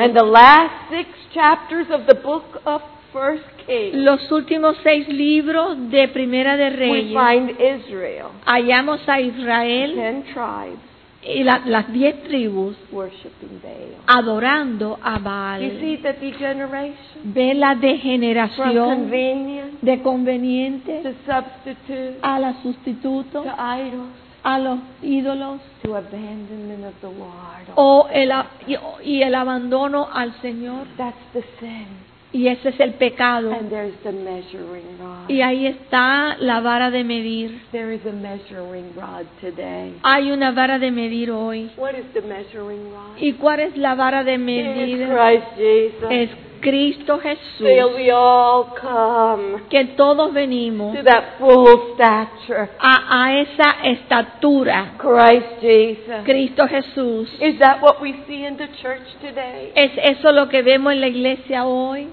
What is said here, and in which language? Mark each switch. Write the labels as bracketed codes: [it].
[en] And the last six chapters of the book of First Kings. [es] Los últimos seis libros de Primera de Reyes. [en] We find Israel. [es] Hallamos a Israel. [en] The 10 tribes. [es] Y las 10 tribus. [en] Worshiping Baal. [es] Adorando a Baal. [en] You see the degeneration. [es] Ve la degeneración. [en] From convenient. [es] De conveniente. [en] To substitute. [es] A la sustituto. [en] To idols. [es] A los ídolos. [en] To abandonment of the Lord. [es] Y el abandono al Señor. [en] That's the sin. [es] Y ese es el pecado. [en] And there's the measuring rod. [es] Y ahí está la vara de medir. [en] There is a measuring rod today. [es] Hay una vara de medir hoy. [en] What is the measuring rod? [es] ¿Y cuál es la vara de medir? [en] It is Christ Jesus. [es] Es Cristo Jesús. [en] Till we all come. [es] Que todos venimos. [en] To that full stature. [es] A esa estatura. [en] Christ Jesus. [es] Cristo Jesús. [en] Is that what we see in the church today? [es] ¿Es eso lo que vemos en la iglesia hoy?